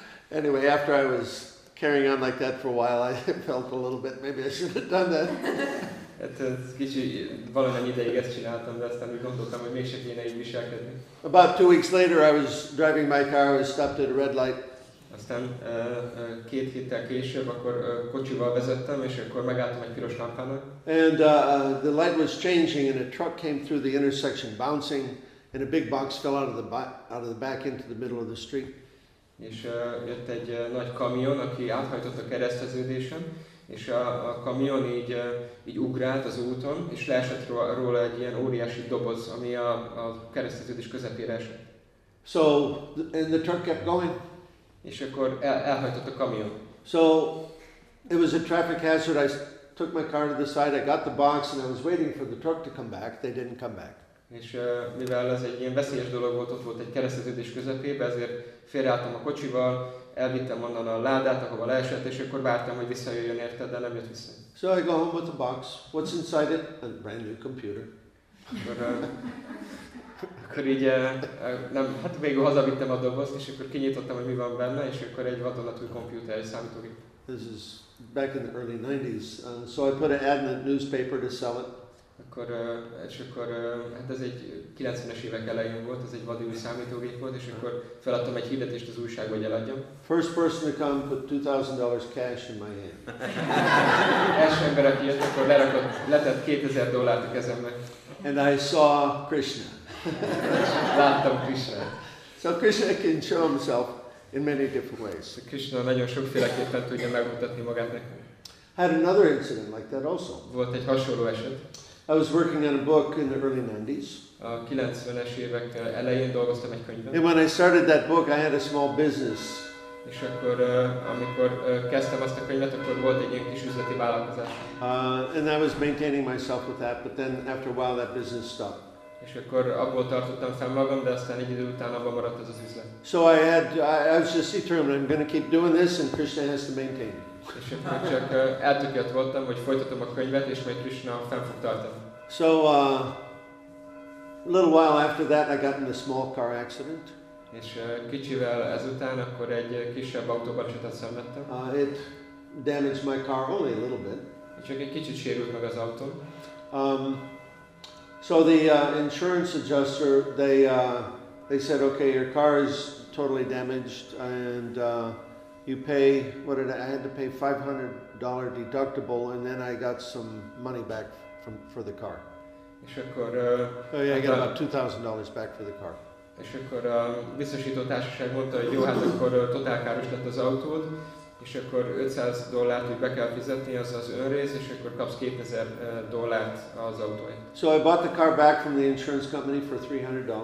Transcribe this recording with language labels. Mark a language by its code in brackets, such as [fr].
[en] Anyway, after I was carrying on like that for a while, I felt a little bit, maybe I should have done that. [hu] Hát kicsi, valamennyi ideig ezt csináltam, de aztán úgy gondoltam, hogy mégsem kéne így viselkedni. [en] About 2 weeks later, I was driving my car, I was stopped at a red light. [hu] Aztán 2 héttel később, akkor kocsival vezettem, és akkor megálltam egy piros lámpának. [en] And the light was changing, and a truck came through the intersection, bouncing, and a big box fell out of the back into the middle of the street. [hu] És jött egy nagy kamion, aki áthajtott a kereszteződésen, és a kamion így ugrált az úton, és leesett róla egy ilyen óriási doboz, ami a kereszteződés közepére esett. [en] So, and the truck kept going. [hu] És akkor elhajtott a kamion. [en] So, it was a traffic hazard. I took my car to the side, I got the box, and I was waiting for the truck to come back. They didn't come back. [hu] És mivel ez egy ilyen veszélyes dolog volt, ott volt egy kereszteződés közepébe, ezért félreálltam a kocsival, elvittem onnan a ládát, ahova leesett, és akkor vártam, hogy visszajöjjön érte, de nem jött vissza. [en] So I go home with a box. What's inside it? A brand new computer. [hu] Akkor így, nem, hát végül hazavittem a dobozt, és akkor kinyitottam, hogy mi van benne, és akkor egy vadonatúj kompjúter, egy számítógép. [en] This is back in the early 90s, so I put an ad in the newspaper to sell it. [hu] És akkor hát ez egy 90-es évek elején volt, ez egy vadi új számítógép volt, és akkor feladtam egy hirdetést az újságba, hogy eladjam. [en] First person to come put $2,000 cash in my hand. [hu] Első ember, aki jött, akkor lerakott, letett $2,000 a kezembe. [en] And I saw Krishna. [hu] Láttam Krishnát. [en] So Krishna can show himself in many different ways. [hu] Krishna nagyon sokféleképpen tudja megmutatni magát nekünk. [en] Had another incident like that also. [hu] Volt egy hasonló eset. [en] I was working on a book in the early 90s. [hu] A 90-es évek elején dolgoztam egy könyvben. [en] And when I started that book, I had a small business. [hu] És akkor, amikor kezdtem azt a könyvet, akkor volt egy ilyen kis üzleti vállalkozás. [en] And I was maintaining myself with that, but then after a while that business stopped. [hu] És akkor abból tartottam fel magam, de aztán egy idő után abban maradt az üzlet. [en] So I was just determined, I'm going to keep doing this and Krishna has to maintain it. [hu] És akkor csak eltökélt voltam, hogy folytatom a könyvet, és majd Krishna fenn fog tartani. [en] So, a little while after that, I got in a small car accident. [hu] És kicsivel ezután, akkor egy kisebb autóbalesetet szenvedtem. [en] It damaged my car only a little bit. [hu] Csak egy kicsit sérült meg az autó. [en] So the insurance adjuster, they said, okay, your car is totally damaged, and you pay, I had to pay $500 deductible, and then I got some money back for the car. [hu] És akkor, [en] I got about $2,000 back for the car. [hu] És akkor a biztosító társaság mondta, hogy jó, hát akkor totál káros lett az autód, és akkor $500 be kell fizetni, az az önrész, és akkor kapsz $2,000 az autóért. [en] So I bought the car back from the insurance company for $300.